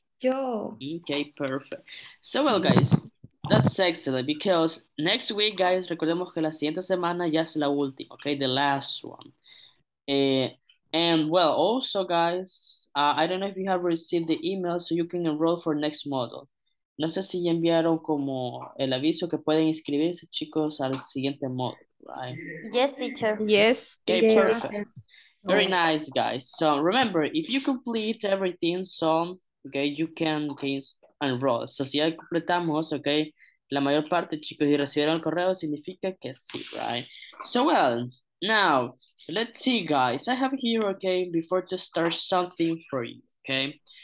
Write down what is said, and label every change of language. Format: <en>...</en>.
<en>Okay, perfect. So well, guys, that's excellent because next week, guys,</en> <es>recordemos que la siguiente semana ya es la última,</es> <en>okay, the last one. And well, also, guys, I don't know if you have received the email so you can enroll for next module.</en> <es>No sé si ya enviaron como el aviso que pueden inscribirse, chicos, al siguiente</es> <en>module, right? Yes, teacher. Yes, Okay, perfect. teacher. Very nice, guys. So remember, if you complete everything, so okay, you can gain. Enroll. So</en> <es>si ya completamos, ok, la mayor parte, chicos, y recibieron el correo, significa que sí, right?</es> <en>So, well, now, let's see, guys. I have here, ok, before to start something for you, ok?</en>